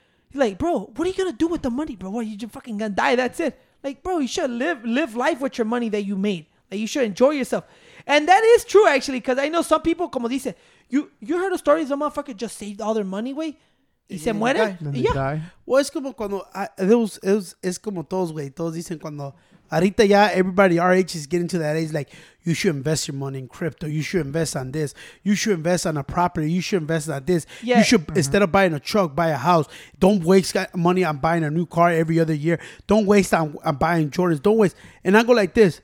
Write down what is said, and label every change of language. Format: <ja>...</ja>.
<en>You're like, bro, what are you going to do with the money, bro? What, you just fucking going to die? That's it. Like, bro, you should live life with your money that you made. Like, you should enjoy yourself. And that is true, actually, because I know some people,</en> <es>como dice,</es> <en>you heard a story, some motherfucker just saved all their money, güey?</en> <es>Y se muere?</es> <en>Die.</en> <es>Well, es como cuando, es como todos, güey. Todos dicen cuando, ahorita ya,</es> <en>everybody our age is getting to that age, like, you should invest your money in crypto. You should invest on this. You should invest on a property. You should invest on this. Yeah. You should, instead of buying a truck, buy a house. Don't waste money on buying a new car every other year. Don't waste on buying Jordans. Don't waste. And I go like this.</en>